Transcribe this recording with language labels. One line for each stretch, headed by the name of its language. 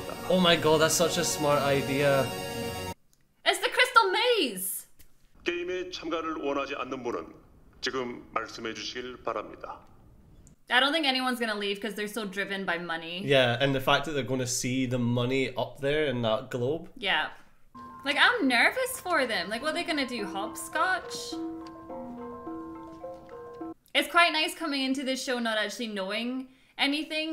English: Oh my god, that's such a smart idea. It's the crystal maze.
Korean: 게임에 참가를 원하지 않는 분은 지금 말씀해 주시길 바랍니다.
English: I don't think anyone's gonna leave because they're so driven by money. Yeah, and the fact that they're gonna see the money up there in that globe. Yeah. Like, I'm nervous for them. Like, what are they gonna do, hopscotch? It's quite nice coming into this show not actually knowing anything.